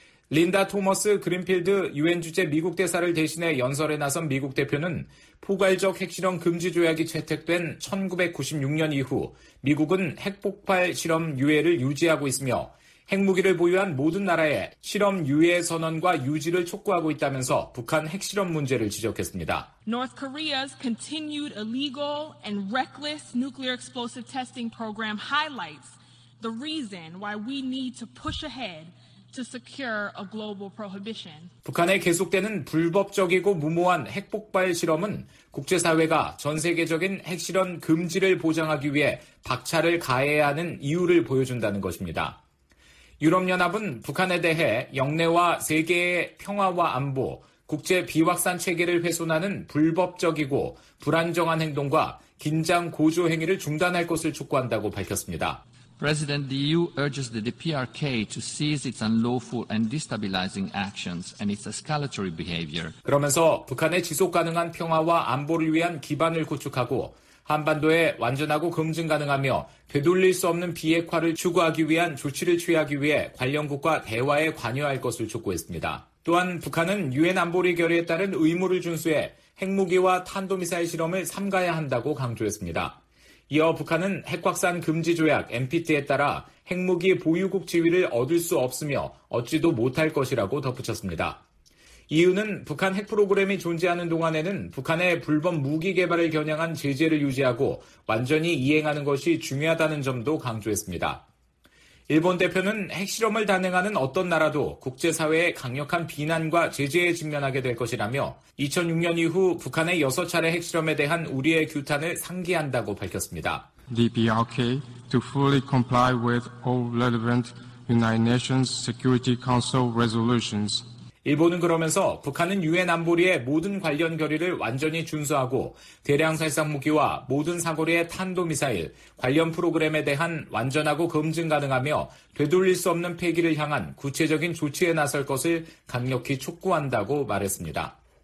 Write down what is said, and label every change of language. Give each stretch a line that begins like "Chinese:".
Korean: 린다 토머스 그린필드 유엔 주재 미국 대사를 대신해 연설에 나선 미국 대표는 포괄적 핵실험 금지 조약이 채택된 1996년 이후 미국은 핵폭발 실험 유예를 유지하고 있으며 핵무기를 보유한 모든 나라에 실험 유예 선언과 유지를 촉구하고 있다면서 북한 핵실험 문제를 지적했습니다.
English: North Korea's continued illegal and reckless nuclear explosive testing program highlights the reason why we need to push ahead. To secure a global prohibition.
Korean: 북한의 계속되는 불법적이고 무모한 핵폭발 실험은 국제사회가 전 세계적인 핵실험 금지를 보장하기 위해 박차를 가해야 하는 이유를 보여준다는 것입니다. 유럽연합은 북한에 대해 영내와 세계의 평화와 안보, 국제 비확산 체계를 훼손하는 불법적이고 불안정한 행동과 긴장 고조 행위를 중단할 것을 촉구한다고 밝혔습니다.
English: President, the EU urges the DPRK to cease its unlawful and destabilizing actions and its escalatory behavior.
Korean: 그러면서 북한의 지속 가능한 평화와 안보를 위한 기반을 구축하고 한반도에 완전하고 검증 가능하며 되돌릴 수 없는 비핵화를 추구하기 위한 조치를 취하기 위해 관련국과 대화에 관여할 것을 촉구했습니다. 또한 북한은 유엔 안보리 결의에 따른 의무를 준수해 핵무기와 탄도미사일 실험을 삼가야 한다고 강조했습니다. 이어 북한은 핵확산 금지 조약 NPT에 따라 핵무기 보유국 지위를 얻을 수 없으며 얻지도 못할 것이라고 덧붙였습니다. 이유는 북한 핵 프로그램이 존재하는 동안에는 북한의 불법 무기 개발을 겨냥한 제재를 유지하고 완전히 이행하는 것이 중요하다는 점도 강조했습니다. 일본 대표는 핵실험을 단행하는 어떤 나라도 국제사회의 강력한 비난과 제재에 직면하게 될 것이라며 2006년 이후 북한의 6차례 핵실험에 대한 우리의 규탄을 상기한다고 밝혔습니다.
English: The DPRK to fully comply with all relevant United Nations Security Council resolutions.
Korean: 일본은 그러면서 북한은 유엔 안보리의 모든 관련 결의를 완전히 준수하고 대량살상무기와 모든 사거리의 탄도미사일, 관련 프로그램에 대한 완전하고 검증 가능하며 되돌릴 수 없는 폐기를 향한 구체적인 조치에 나설 것을 강력히 촉구한다고 말했습니다.